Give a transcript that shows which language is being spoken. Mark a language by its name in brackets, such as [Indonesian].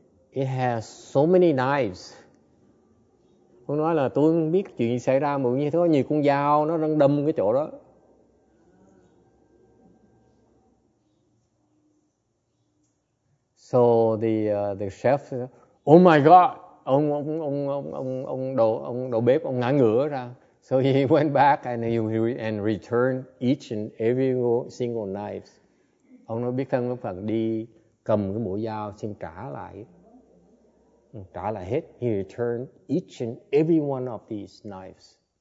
[English] It has so many knives. [Vietnamese] Ông nói là tôi không biết chuyện gì xảy ra mà như thế có nhiều con dao nó đang đâm cái chỗ đó. [English] So the chef, oh my god, [Vietnamese] ông đầu bếp ông ngã ngửa ra. [English] So he went back and returned each and every single knife. [Vietnamese] Ông nói biết thân cái phần đi cầm cái mũi dao xin trả lại hết. [English] He returned each and every one of these knives.